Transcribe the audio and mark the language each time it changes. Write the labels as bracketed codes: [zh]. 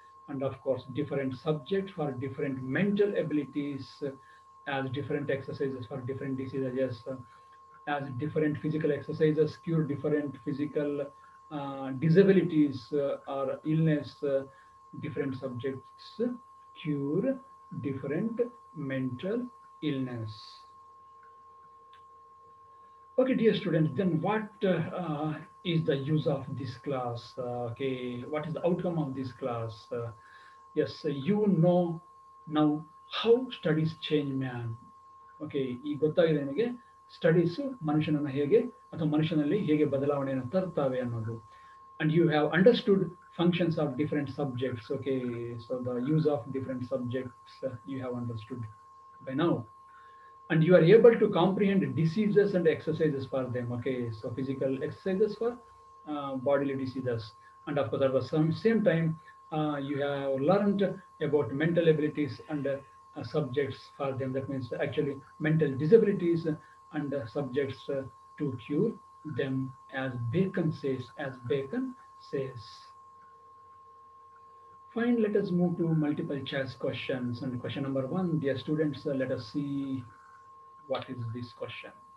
[en] And of course different subject for different mental abilities, as different exercises for different diseases, as different physical exercises cure different physical disabilities or illness, different subjects cure different mental illness. Okay, dear students, then what is the use of this class? Okay, what is the outcome of this class? Yes, you know now how studies change man. [kn] Okay, ee gottagide nimage studies manushanana hege ಅಥವಾ ಮನುಷ್ಯನಲ್ಲಿ ಹೇಗೆ ಬದಲಾವಣೆಯನ್ನು ತರ್ತಾವೆ ಅನ್ನೋದು. [en] And you have understood functions of different subjects. Okay, so the use of different subjects you have understood by now. And you are able to comprehend diseases and exercises for them. Okay, so physical exercises for bodily diseases. And of course at the same time you have learned about mental abilities and subjects for them. That means actually mental disabilities and subjects to cure them, as Bacon says. Fine, let us move to multiple choice questions. And question number one, dear students, let us see what is this question.